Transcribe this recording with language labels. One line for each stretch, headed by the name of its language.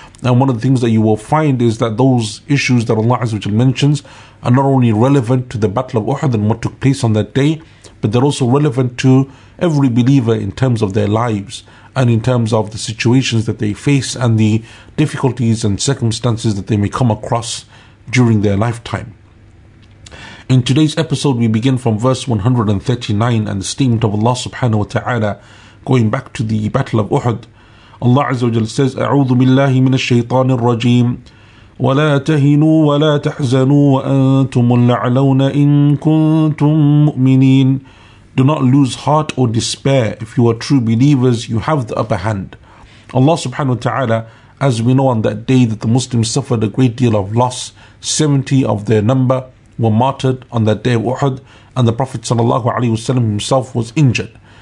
English: And one of the things that you will find is that those issues that Allah Azza wa Jalla mentions are not only relevant to the Battle of Uhud and what took place on that day, but they're also relevant to every believer in terms of their lives and in terms of the situations that they face and the difficulties and circumstances that they may come across during their lifetime. In today's episode, we begin from verse 139 and the statement of Allah subhanahu wa ta'ala going back to the Battle of Uhud. Allah Azza wa Jalla says,
Arabic: أعوذ بالله من الشيطان الرجيم ولا تهنوا ولا تحزنوا وأنتم الأعلون إن كنتم مؤمنين.
English: Do not lose heart or despair. If you are true believers, you have the upper hand. Allah subhanahu wa ta'ala, as we know, on that day that the Muslims suffered a great deal of loss, 70 of their number were martyred on that day of Uhud, and the Prophet sallallahu alayhi wasallam himself was injured.